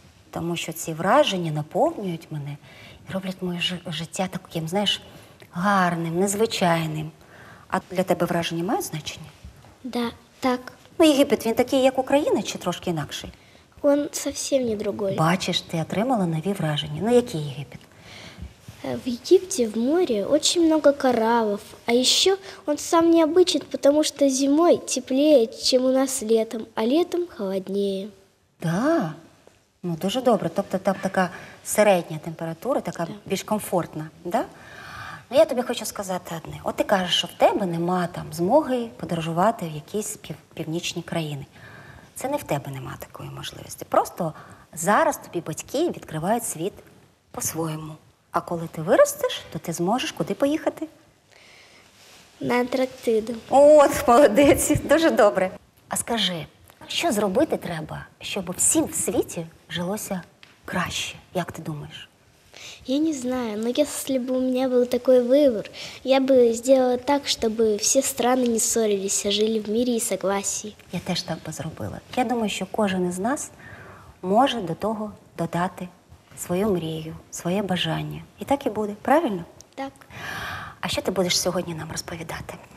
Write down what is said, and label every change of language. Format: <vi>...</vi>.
<uk>тому що ці враження наповнюють мене і роблять моє життя таким, знаєш, гарним, незвичайним. А для тебе враження мають значення? Да, так. Ну, Єгипет, він такий, як Україна, чи трошки інакший? Він зовсім не другий. Бачиш, ти отримала нові враження. Ну, який Єгипет?</uk> <ru>В Египте в море очень много кораллов, а еще он сам необычен, потому что зимой теплее, чем у нас летом, а летом холоднее.</ru> <uk>Да? Ну, дуже добре. Тобто там така середня температура, така да. Більш комфортна, да? Ну, я тобі хочу сказати одне. От ти кажеш, що в тебе нема там змоги подорожувати в якісь північні країни. Це не в тебе нема такої можливості. Просто зараз тобі батьки відкривають світ по-своєму. А коли ти виростеш, то ти зможеш куди поїхати? На Антарктиду. От, молодець, дуже добре. А скажи, що зробити треба, щоб всім в світі жилося краще? Як ти думаєш?</uk> <ru>Я не знаю, но если бы у меня был такой выбор, я бы сделала так, чтобы все страны не ссорились, а жили в мире и согласии.</ru> <uk>Я теж так би зробила. Я думаю, що кожен із нас може до того додати свою мрію, своє бажання. І так і буде, правильно? Так. А що ти будеш сьогодні нам розповідати?</uk>